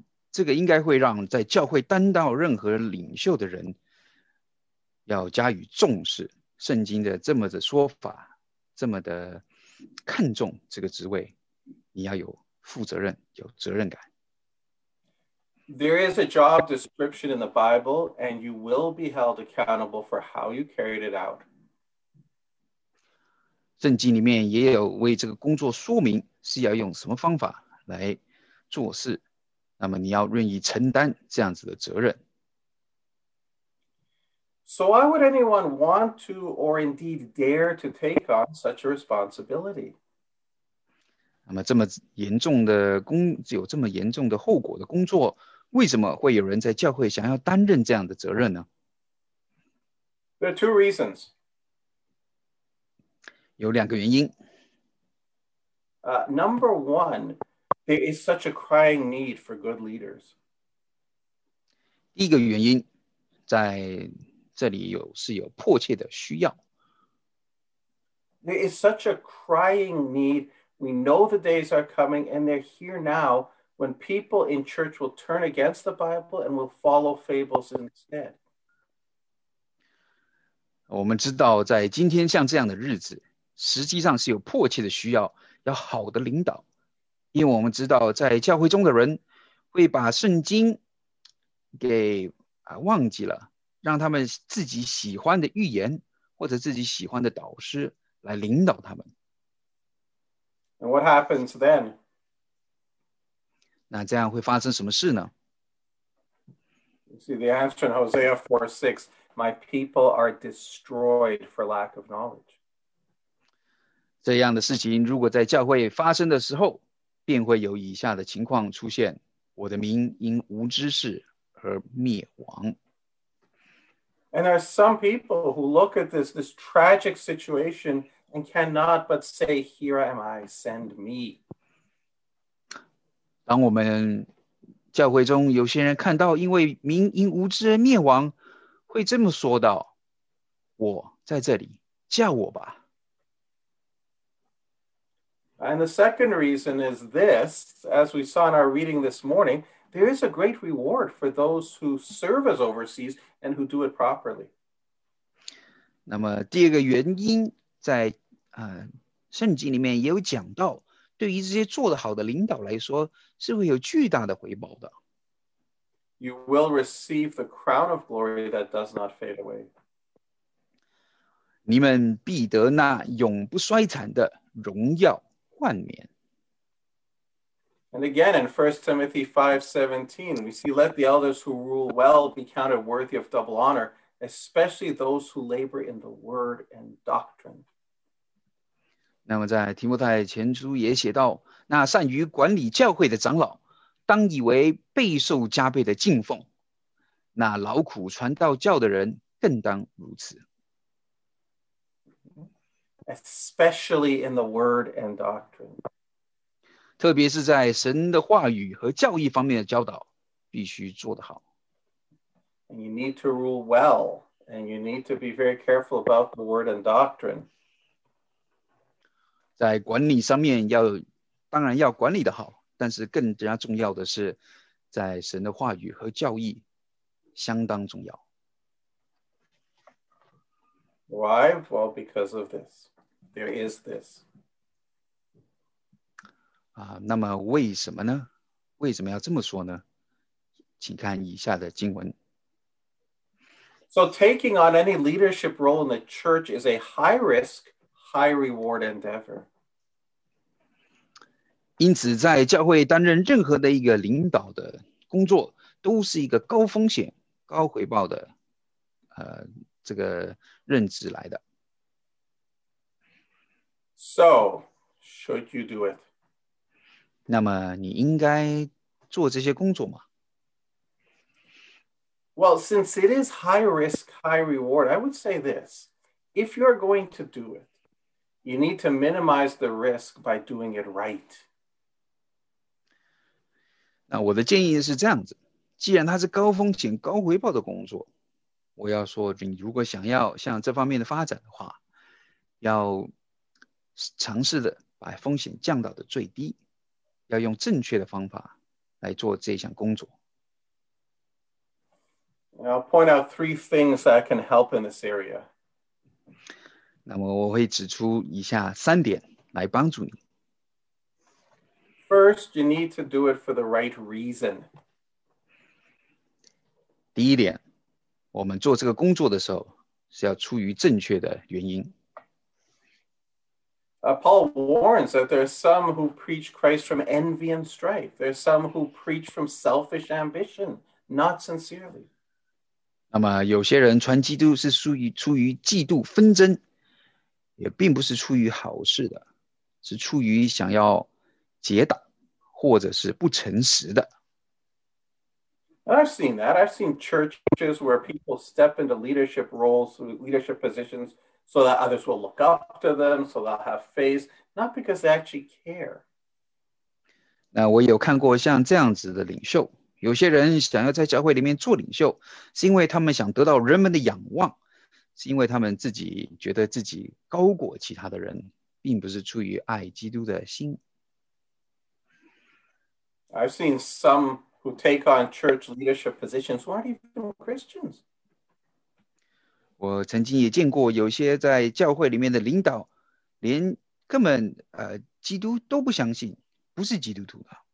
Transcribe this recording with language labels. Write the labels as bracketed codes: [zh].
[zh] 这个应该会让在教会担当任何领袖的人要加以重视。圣经的这么的说法，这么的看重这个职位，你要有负责任，有责任感。 [en] There is a job description in the Bible, and you will be held accountable for how you carried it out. [zh] 圣经里面也有为这个工作说明是要用什么方法来做事，那么你要愿意承担这样子的责任。 [en] So why would anyone want to or indeed dare to take on such a responsibility? [zh] 那么这么严重的工，有这么严重的后果的工作，为什么会有人在教会想要担任这样的责任呢？ [en] There are two reasons. [zh] 有两个原因。 [en] Number one, there is such a crying need for good leaders. [zh] 第一个原因，在这里有是有迫切的需要。 [en] There is such a crying need. We know the days are coming, and they're here now, when people in church will turn against the Bible and will follow fables instead. [zh] 我们知道，在今天像这样的日子，实际上是有迫切的需要要好的领导，因为我们知道，在教会中的人会把圣经给忘记了。让他们自己喜欢的预言或者自己喜欢的导师来领导他们。 [en] And what happens then? [zh] 那这样会发生什么事呢？ [en] You see the answer in Hosea 4:6, my people are destroyed for lack of knowledge. [zh] 这样的事情如果在教会发生的时候，便会有以下的情况出现，我的民因无知识而灭亡。 [en] And there are some people who look at this tragic situation and cannot but say, here am I, send me. [zh] 当我们教会中有些人看到因为民因无知而灭亡，会这么说道，我在这里，叫我吧。 [en] And the second reason is this, as we saw in our reading this morning,There is a great reward for those who serve as overseas and who do it properly. [zh] 那么第二个原因在圣经里面也有讲到，对于这些做得好的领导来说，是会有巨大的回报的。 [en] You will receive the crown of glory that does not fade away. [zh] 你们必得那永不衰残的荣耀冠冕。 [en] And again, in 1 Timothy 5:17, we see, let the elders who rule well be counted worthy of double honor, especially those who labor in the word and doctrine. [zh] 那么在提摩太前书也写到，那善于管理教会的长老，当以为备受加倍的敬奉。那劳苦传道教的人，更当如此。 [en] Especially in the word and doctrine. [zh] 特别是在神的话语和教义方面的教导，必须做得好。 [en] And you need to rule well, and you need to be very careful about the word and doctrine. [zh] 在管理上面要，当然要管理得好，但是更加重要的是，在神的话语和教义相当重要。 [en] Why? Well, because of this. There is this. [zh] 那么为什么呢？为什么要这么说呢？请看以下的经文。 [en] So taking on any leadership role in the church is a high risk, high reward endeavor. [zh] 因此在教会担任任何的一个领导的工作都是一个高风险、高回报的这个任职来的。 [en] So, should you do it? [zh] 那么你应该做这些工作吗？ [en] Well, since it is high risk, high reward, I would say this. If you're going to do it, you need to minimize the risk by doing it right. [zh] 那我的建议是这样子，既然它是高风险高回报的工作，我要说你如果想要向这方面的发展的话，要尝试的把风险降到的最低，要用正确的方法来做这项工作。 [en] I'll point out three things that can help in this area. [zh] 那么我会指出以下三点来帮助你。 [en] First, you need to do it for the right reason. [zh] 第一点，我们做这个工作的时候是要出于正确的原因。 [en] Paul warns that there are some who preach Christ from envy and strife. There are some who preach from selfish ambition, not sincerely. [zh] 那么有些人传基督是出于嫉妒纷争，也并不是出于好事的，是出于想要结党或者是不诚实的。 [en] I've seen that. I've seen churches where people step into leadership roles, leadership positions, so that others will look up to them, so they'll have faith, not because they actually care. [zh] 那我有看过像这样子的领袖，有些人想要在教会里面做领袖，是因为他们想得到人们的仰望，是因为他们自己觉得自己高过其他的人，并不是出于爱基督的心。 [en] I've seen some who take on church leadership positions who aren't even Christians. [zh] 我曾经也见过有些在教会里面的领导连根本基督都不相信，不是基督徒的。